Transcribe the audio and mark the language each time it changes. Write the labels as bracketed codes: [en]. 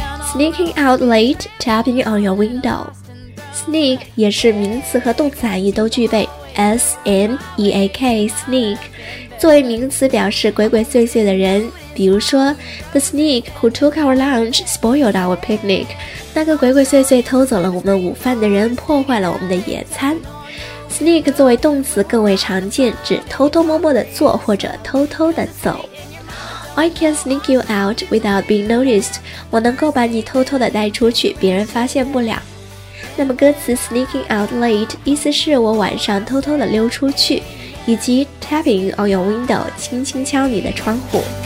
[en] Sneaking out late, tapping on your window. [zh] Sneak 也是名词和动词含义都具备。S-N-E-A-K, sneak 作为名词表示鬼鬼祟祟的人。比如说 [en] The sneak who took our lunch spoiled our picnic. [zh] 那个鬼鬼祟祟偷走了我们午饭的人破坏了我们的野餐。 Sneak 作为动词更为常见，指偷偷摸摸的做或者偷偷的走。 [en] I can sneak you out without being noticed. [zh] 我能够把你偷偷的带出去，别人发现不了。那么歌词 [en] sneaking out late [zh] 意思是我晚上偷偷的溜出去，以及 [en] tapping on your window [zh] 轻轻敲你的窗户。